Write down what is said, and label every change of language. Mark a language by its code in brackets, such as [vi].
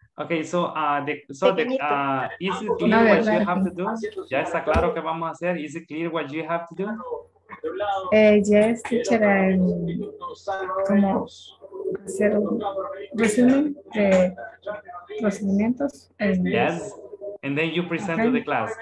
[en] Okay, so is it clear what you have to do? [es] ¿Ya está claro qué vamos a hacer? [en] Is it clear what you have to do? Yes, teacher, [es] como hacer un resumen de procedimientos. [en] Yes, and then you present to the class.